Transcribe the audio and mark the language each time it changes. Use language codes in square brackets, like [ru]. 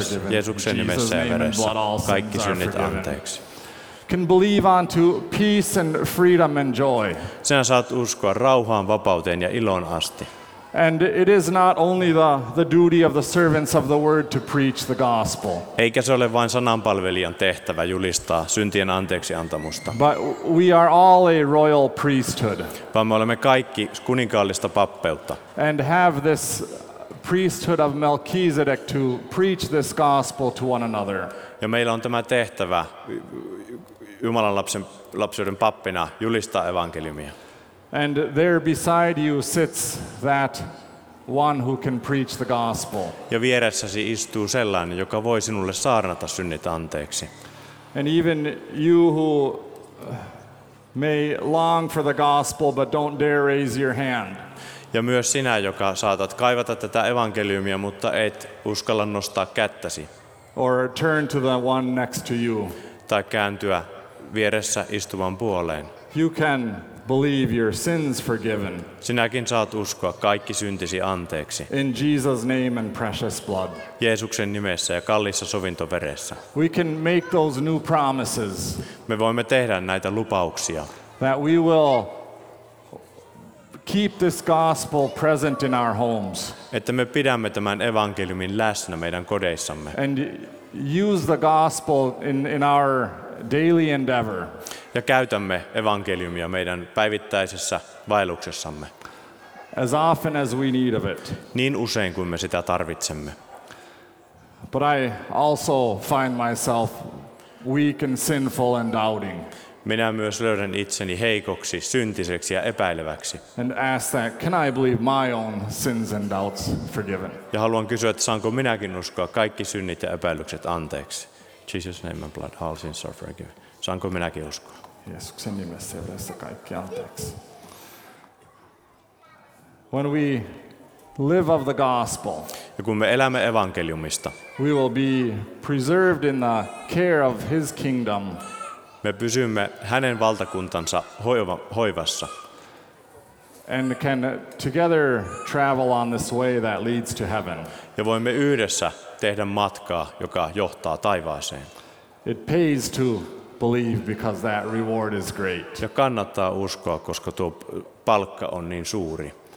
[fi] Jeesuksen nimessä ja veressä. Kaikki synnit anteeksi. [en] can believe on to peace and freedom and joy. [fi] Sinä saat uskoa rauhaan, vapauteen ja iloon asti. [en] And it is not only the duty of the servants of the word to preach the gospel. [fi] Eikä se ole vain sananpalvelijan tehtävä julistaa syntien anteeksi antamusta. [en] But we are all a royal priesthood. [fi] Vaan me olemme kaikki kuninkaallista pappeutta. [en] And have this priesthood of Melchizedek to preach this gospel to one another. [fi] Ja meillä on tämä tehtävä Jumalan lapsuuden pappina julistaa evankeliumia. [en] And there beside you sits that one who can preach the gospel. [fi] Ja vieressäsi istuu sellainen, joka voi sinulle saarnata synnit anteeksi. [en] And even you who may long for the gospel but don't dare raise your hand. [fi] Ja myös sinä, joka saatat kaivata tätä evankeliumia, mutta et uskalla nostaa kättäsi. [en] Or turn to the one next to you. [fi] Tai kääntyä vieressä istuvan puoleen. [en] You can believe your sins forgiven. [fi] Sinäkin saat uskoa kaikki syntisi anteeksi. [en] In Jesus' name and precious blood. [fi] Jeesuksen nimessä ja kalliissa sovintoveressä. [en] We can make those new promises. [fi] Me voimme tehdä näitä lupauksia. [en] That we will keep this gospel present in our homes. [fi] Että me pidämme tämän evankeliumin läsnä meidän kodeissamme. [en] And use the gospel in our daily endeavor. [fi] Ja käytämme evankeliumia meidän päivittäisessä vaelluksessamme. [en] As often as we need of it. [fi] Niin usein kuin me sitä tarvitsemme. [en] But I also find myself weak and sinful and doubting. [fi] Minä myös löydän itseni heikoksi, syntiseksi ja epäileväksi. [en] And ask that, can I believe my own sins and doubts forgiven? [fi] Ja haluan kysyä, että saanko minäkin uskoa kaikki synnit ja epäilykset anteeksi. [en] Jesus name and blood, all sins are forgiven. [fi] Saanko minäkin uskoa? Jeesuksen nimessä yhdessä kaikki anteeksi. [en] When we live of the gospel. [fi] Ja kun me elämme evankeliumista. [en] We will be preserved in the care of his kingdom. [fi] Me pysymme hänen valtakuntansa hoivassa. [en] And can together travel on this way that leads to heaven. [fi] Ja voimme yhdessä tehdä matkaa, joka johtaa taivaaseen. [en] It pays to believe because that reward is great. [fi] Ja kannattaa uskoa, koska tuo palkka on niin suuri.